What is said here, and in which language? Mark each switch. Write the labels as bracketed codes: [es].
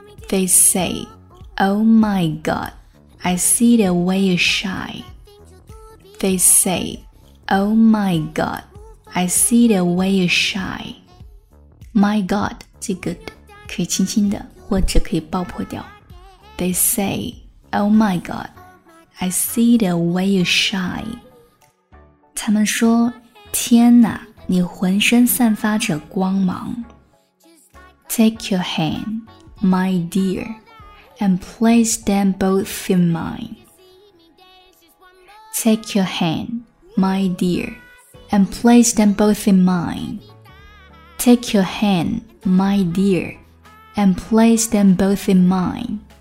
[en] They say, oh my god, I see the way you shine. They say, oh my god, I see the way you shine. My god, [zh] 这个可以轻轻的或者可以爆破掉。 [en] They say, oh my god, I see the way you shine. [zh] 他们说，天哪，你浑身散发着光芒。 [en] Take your hand. My dear, and place them both in mine. Take your hand, my dear, and place them both in mine. Take your hand, my dear, and place them both in mine.